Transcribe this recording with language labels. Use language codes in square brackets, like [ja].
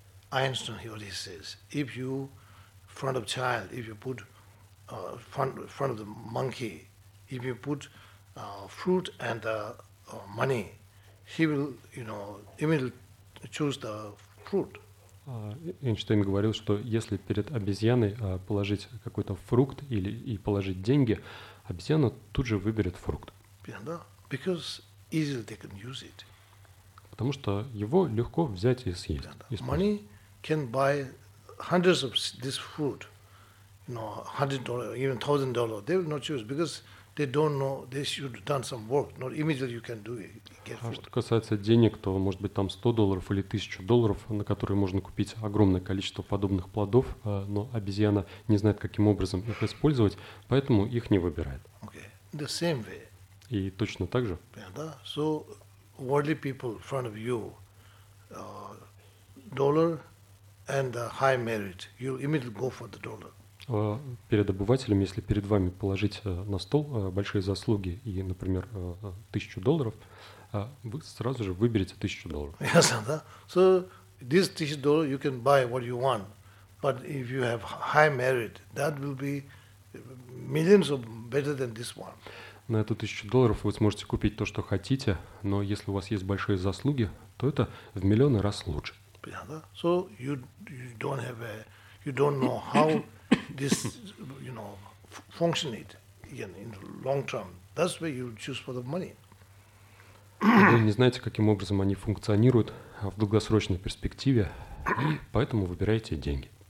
[en] Einstein, he always says, if you, front of child, if you put, front of the monkey, if you put fruit and money, he will, you know, immediately choose the fruit. [ru] Эйнштейн говорил, что если перед обезьяной положить какой-то фрукт или и положить деньги, обезьяна тут же выберет фрукт. [en] Because easily they can use it. [ru] Потому что его легко взять и съесть. [en] Money can buy hundreds of this food, you know, $100, even $1,000. They will not choose because they don't know. They should have done some work. Not immediately you can do it. [ru] Что касается денег, то может быть там $100 или $1,000, на которые можно купить огромное количество подобных плодов, но обезьяна не знает, каким образом их использовать, поэтому их не выбирает. [en] Okay, the same way. [ru] И точно так же. [en] Yeah, so worldly people in front of you, dollar and the high merit, you immediately go for the dollar. [ru] Перед обывателем, если перед вами положить на стол большие заслуги и, например, $1,000, вы сразу же выберете $1,000. Yes, да. [en] So this $1,000 you can buy what you want, but if you have high merit, that will be millions of better than this one. [ru] На эту $1,000 вы сможете купить то, что хотите, но если у вас есть большие заслуги, то это в миллионы раз лучше. [en] So you don't have a, you don't know how this, you know, functionate again in the long term. That's why you choose for the money. [ru] Вы не знаете, каким образом они функционируют в долгосрочной перспективе, и поэтому выбираете деньги.